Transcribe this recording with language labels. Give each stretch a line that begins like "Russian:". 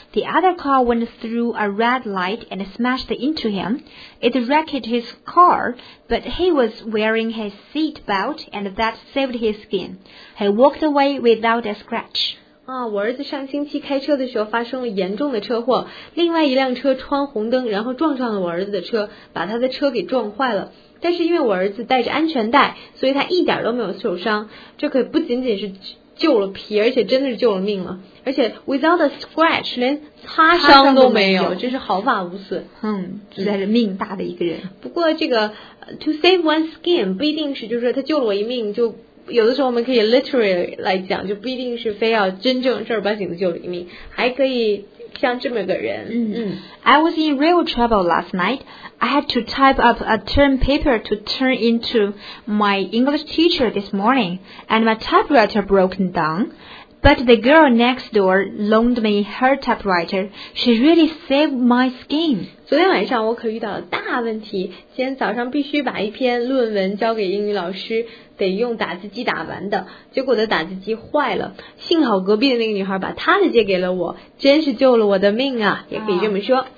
English: The other car went through a red light and smashed into him. It wrecked his car, but he was wearing his seat belt and that saved his skin. He walked away without a scratch.
Chinese: 我儿子上星期开车的时候发生了严重的车祸，另外一辆车穿红灯然后撞上了我儿子的车，把他的车给撞坏了，但是因为我儿子戴着安全带，所以他一点都没有受伤。这可不仅仅是救了皮，而且真的是救了命了，而且
English: without a scratch
Chinese: 连擦伤都没有，真是毫发无损。嗯，实在是命大的一个人。不过这个
English: to save one skin
Chinese: 不一定是就是说他救了我一命，就有的时候我们可以 literally 来讲，就不一定是非要真正正儿八经的救了一命，还可以像这么个人。
English: 嗯嗯。I was in real trouble last night. I had to type up a term paper to turn into my English teacher this morning, and my typewriter broken down. But the girl next door loaned me her typewriter. She really saved my skin.
Chinese: 昨天晚上我可遇到了大问题，今天早上必须把一篇论文交给英语老师，得用打字机打完的，结果的打字机坏了，幸好隔壁的那个女孩把她的借给了我，真是救了我的命啊，也可以这么说，